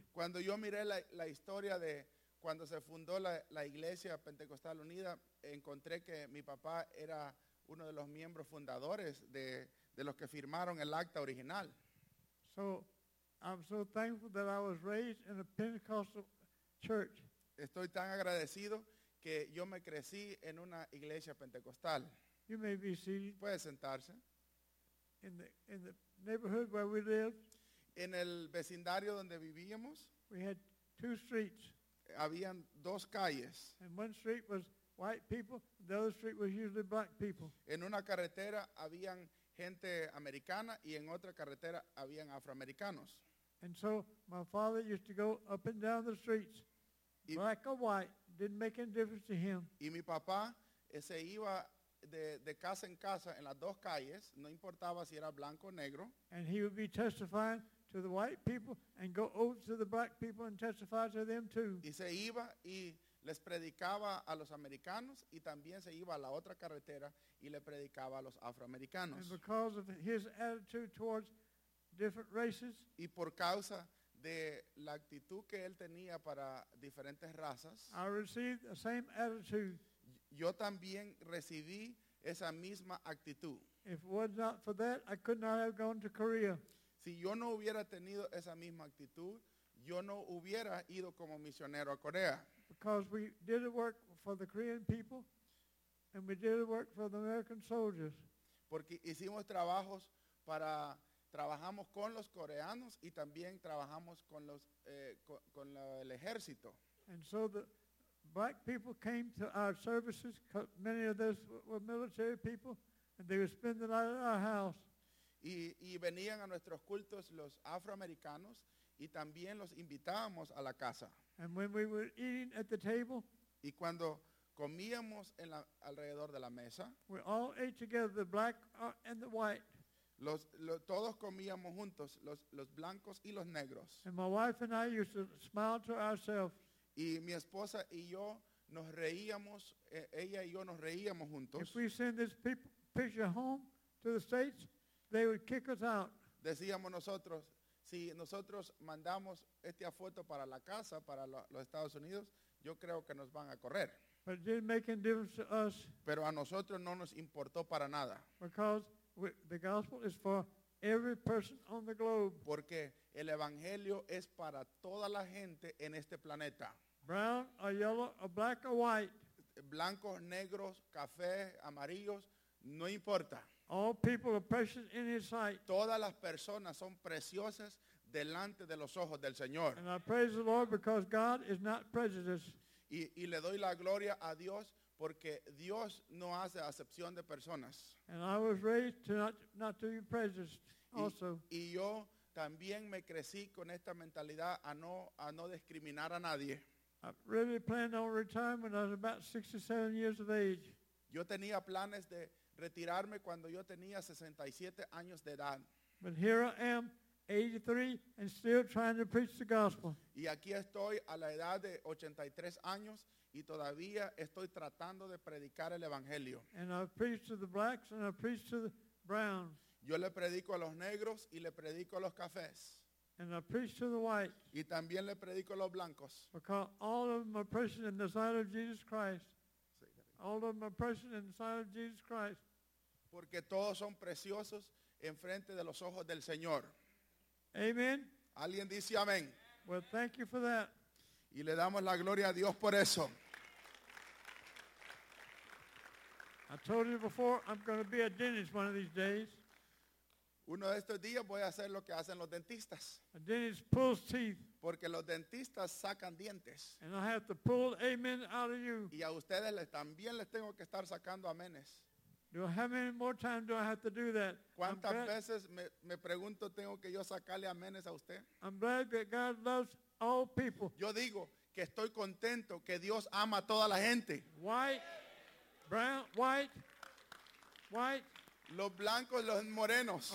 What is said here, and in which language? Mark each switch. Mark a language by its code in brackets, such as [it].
[es] Cuando yo miré la historia de cuando se fundó la Iglesia Pentecostal Unida, encontré que mi papá era uno de los miembros fundadores de los que firmaron el acta original. [en] So, I'm so thankful that I was raised in a Pentecostal church. [es] Estoy tan agradecido que yo me crecí en una iglesia pentecostal. [en] You may be seated. [es] Puede sentarse. [en] In the neighborhood where we lived. [es] En el vecindario donde vivíamos. [en] We had two streets. [es] Habían dos calles. [en] And one street was white people, the other street was usually black people. [es] En una carretera habían gente americana y en otra carretera habían afroamericanos. [en] And so my father used to go up and down the streets, black or white, didn't make any difference to him. [es] Y mi papá se iba de casa en casa en las dos calles, no importaba si era blanco o negro. [en] And he would be testifying to the white people and go over to the black people and testify to them too. [es] Y se iba y les predicaba a los americanos y también se iba a la otra carretera y le predicaba a los afroamericanos. [en] And because of his attitude towards different races, [es] y por causa de la actitud que él tenía para diferentes razas, [en] I received the same attitude. [es] Yo también recibí esa misma actitud. [en] If it was not for that, I could not have gone to Korea. [es] Si yo no hubiera tenido esa misma actitud, yo no hubiera ido como misionero a Corea. [en] Because we did the work for the Korean people, and we did the work for the American soldiers. [es] Porque hicimos trabajos para, trabajamos con los coreanos, y también trabajamos con los, el ejército. [en] And so the black people came to our services, many of those were military people, and they would spend the night at our house. [es] Y venían a nuestros cultos los afroamericanos, y también los invitábamos a la casa. [en] And when we were eating at the table, [es] y cuando comíamos en la, alrededor de la mesa. [en] We all ate together, the black and the white. [es] Todos comíamos juntos, los blancos y los negros. [en] And my wife and I used to smile to ourselves. [es] Y mi esposa y yo nos reíamos, ella y yo nos reíamos juntos. [en] If we send this picture home to the States, they would kick us out. [es] Decíamos nosotros, si nosotros mandamos esta foto para la casa, para los Estados Unidos, yo creo que nos van a correr. [en] But it didn't make any difference to us. [es] Pero a nosotros no nos importó para nada. [en] Because the gospel is for every person on the globe. [es] Porque el evangelio es para toda la gente en este planeta. [en] Brown or yellow or black or white. [es] Blancos, negros, café, amarillos, no importa. [en] All people are precious in his sight. [es] Todas las personas son preciosas delante de los ojos del Señor. [en] And I praise the Lord because God is not prejudiced. [es] Y le doy la gloria a Dios porque Dios no hace acepción de personas. [en] And I was raised to not to be prejudiced also. [es] Y yo también me crecí con esta mentalidad a no discriminar a nadie. [en] I really planned on retiring when I was about 67 years of age. [es] Yo tenía planes de retirarme cuando yo tenía 67 años de edad. [en] But here I am, 83, and still trying to preach the gospel. [es] Y aquí estoy a la edad de 83 años y todavía estoy tratando de predicar el evangelio. [en] And I've preached to the blacks and I've preached to the browns. [es] Yo le predico a los negros y le predico a los cafés. [en] And I preach to the white. [es] Y también le predico a los blancos. [en] Because all of them are precious in the sight of Jesus Christ. All of them are precious in the sight of Jesus Christ. [es] Porque todos son preciosos en frente de los ojos del Señor. [en] Amen. [es] Alguien dice amén. [en] Well, thank you for that. [es] Y le damos la gloria a Dios por eso. [en] I told you before, I'm going to be a dentist one of these days. [es] Uno de estos días voy a hacer lo que hacen los dentistas. [en] A dentist pulls teeth. [es] Porque los dentistas sacan dientes. [en] And I have to pull amen out of you. [es] Y a ustedes también les tengo que estar sacando amenes. [en] How many more times do I have to do that? [es] ¿Cuántas veces me pregunto tengo que yo sacarle amenes a usted? [en] I'm glad that God loves all people. [es] Yo digo que estoy contento que Dios ama a toda la gente. [en] White, brown, white. [es] Los blancos, los morenos.